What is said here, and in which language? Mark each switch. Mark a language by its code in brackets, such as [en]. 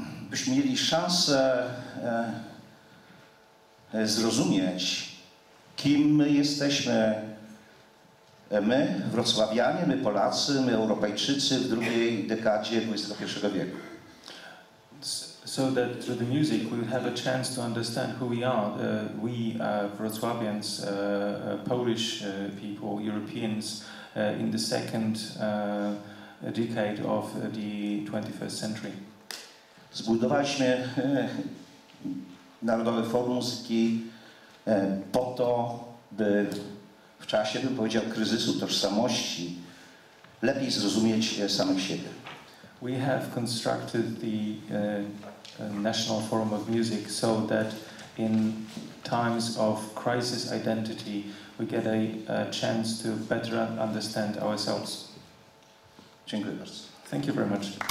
[pl] byśmy mieli szansę zrozumieć, kim my jesteśmy, my, Wrocławianie, my Polacy, my Europejczycy w drugiej dekadzie XXI wieku. [en] So that through the music we have a chance to understand who we are, we Wrocławians, Polish people, Europeans, in the second decade of the 21st century. [pl] Zbudowaliśmy Narodowy Forum Muzyki po to, by w czasie, bym powiedział, kryzysu tożsamości lepiej zrozumieć samych siebie. [en] We have constructed the National Forum of Music so that in times of crisis identity we get a chance to better understand ourselves. [pl] Dziękuję bardzo. [en] Thank you very much.